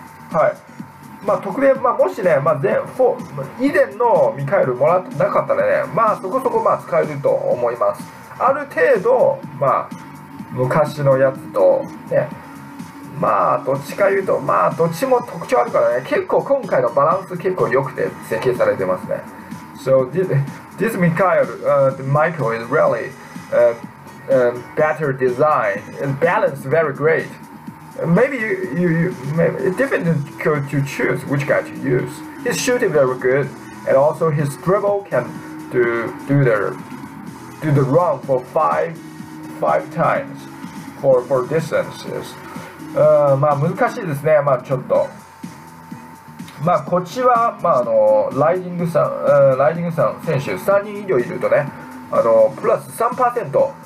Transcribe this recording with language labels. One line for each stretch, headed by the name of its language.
Japanese: はい、まあ特例、まあもしね、まあ以前のミカエルもらってなかったらね、まあそこそこまあ使えると思います。ある程度まあ昔のやつとね、まあどっちか言うとまあどっちも特徴あるからね、結構今回のバランス結構良くて設計されてますね。
English: So this Mikhail Michael is reallybetter design and balance very great. Maybe maybe it's difficult to choose which guy to use. His shooting very good, and also his dribble can do the run for five times for distances.
Japanese: まあ難しいですね。まあちょっと。まあこっちはまあライジングさん選手3人以上いるとね、プラス 3%。